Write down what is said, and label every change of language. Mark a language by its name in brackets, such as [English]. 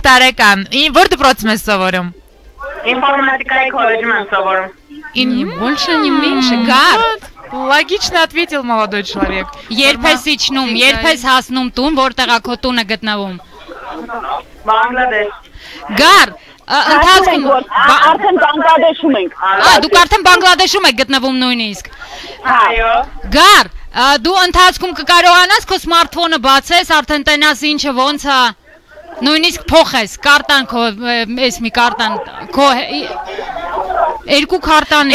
[Armenian] տարեկան։ Որ դպրոցում ես սովորում։ Ինֆորմատիկայի քոլեջում եմ սովորում։ [Russian] Ինի больше не меньше, гар. Логично ответил молодой человек. [Armenian] Երբ ես իջնում, երբ ես հասնում տուն, որտեղ է քո տունը գտնվում։ Բանգլադեշ։ Գար, ընթացքում արդեն Բանգլադեշում ենք։ Ահա, դուք արդեն Բանգլադեշում եք գտնվում նույնիսկ։ Այո։ Գար, դու ընթացքում կկարողանաս քո սմարթֆոնը բացես, արդեն տենաս ինչը ոնց է։ Նույնիսկ փոխես կարտան քո, ես մի կարտան քո երկու քարտանի։